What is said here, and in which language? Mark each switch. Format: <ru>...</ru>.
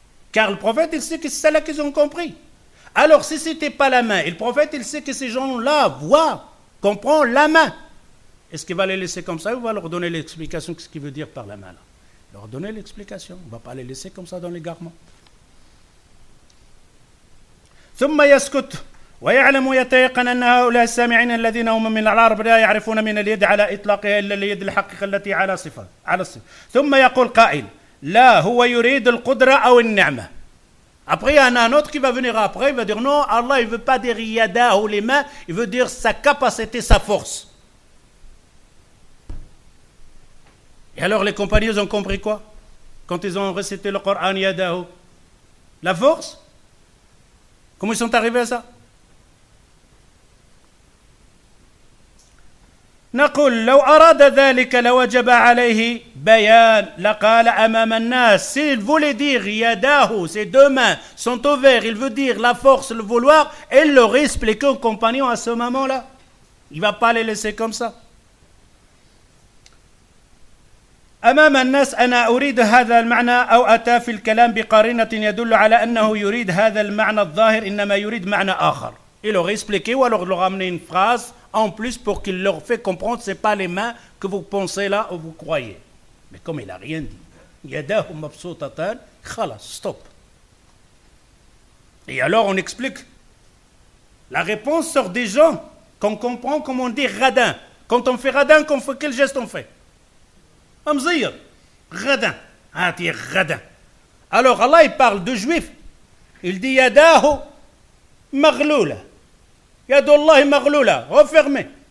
<fr>Car le prophète, il sait que c'est celle-là qu'ils ont compris. Alors, si ce n'était pas la main, et le prophète, il sait que ces gens-là voient, comprennent la main. Est-ce qu'il va les laisser comme ça ou va leur donner l'explication de ce qu'il veut dire par la main là? Leur donner l'explication. On ne va pas les laisser comme ça dans l'égarement.</fr> <ar>Thumma yaskut. ويعلم ويتيقن أن هؤلاء السامعين الذين هم من العرب لا يعرفون من اليد على إطلاقها إلا اليد الحقيقة التي على صفة على الصفة. ثم يقول قائل لا هو يريد القدرة أو النعمة.</ar> <fr>Après un autre qui va venir après, il va dire non, Allah il veut pas dire yada ou les mains, il veut dire sa capacité, sa force. Et alors les compagnons ont compris quoi quand ils ont récité le Coran yada ou la force? Comment ils sont arrivés à ça?</fr> <ar>نقول لو أراد ذلك لوجب عليه بيان لقال أمام الناس.</ar> <fr>S'il voulait dire يداهو, ses deux mains sont ouvertes, il veut dire la force, le vouloir, il l'aurait expliqué aux compagnons à ce moment-là. Il ne va pas les laisser comme ça.</fr> <ar>أمام الناس أنا أريد هذا المعنى أو أتى في الكلام بقارنة يدل على أنه يريد هذا المعنى الظاهر إنما يريد معنى آخر.</ar> <fr>Il aurait expliqué ou alors leur amener une phrase en plus pour qu'il leur fait comprendre c'est pas les mains que vous pensez là ou vous croyez. Mais comme il a rien dit.</fr> <ar>يداه مبسوطتان خلاص stop.</ar> <fr>Et alors on explique. La réponse sort des gens qu'on comprend comme on dit radin. Quand on fait radin, qu'on fait quel geste on fait? Amzir, radin, hati radin. Alors Allah il parle de juifs. Il dit</fr> <ar>yadahu maghloula. Yadullah maghloula,</ar> <fr>refermé.</fr>